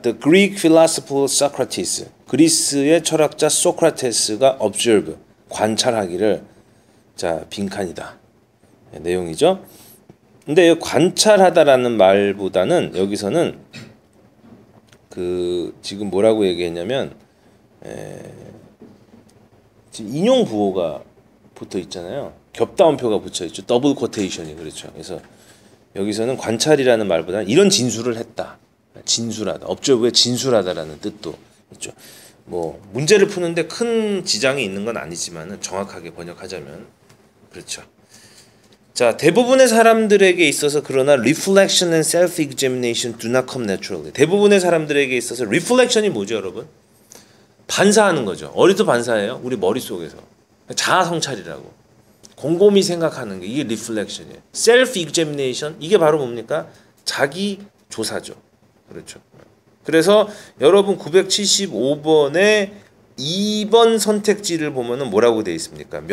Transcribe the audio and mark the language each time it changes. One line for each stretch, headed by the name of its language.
English: The Greek philosopher Socrates.
Korean: 그리스의 철학자 소크라테스가 observe, 관찰하기를. 자, 빈칸이다. 내용이죠. 근데 관찰하다라는 말보다는 여기서는 그 지금 뭐라고 얘기했냐면 지금 인용 부호가 붙어 있잖아요. 겹다운표가 붙어 있죠. 더블 코테이션이 그렇죠. 그래서 여기서는 관찰이라는 말보다는 이런 진술을 했다. 진술하다. 업적의 진술하다라는 뜻도 있죠. 뭐 문제를 푸는데 큰 지장이 있는 건 아니지만은 정확하게 번역하자면 그렇죠. 자, 대부분의 사람들에게 있어서 그러나
English: reflection and self examination do not come naturally.
Korean: 대부분의 사람들에게 있어서 reflection이 뭐죠, 여러분? 반사하는 거죠. 어디서 반사해요? 우리 머릿속에서. 자아 성찰이라고. 곰곰이 생각하는 게 이게 reflection이에요. self examination 이게 바로 뭡니까? 자기 조사죠. 그렇죠. 그래서 여러분 975번에 2번 선택지를 보면은 뭐라고 되어 있습니까?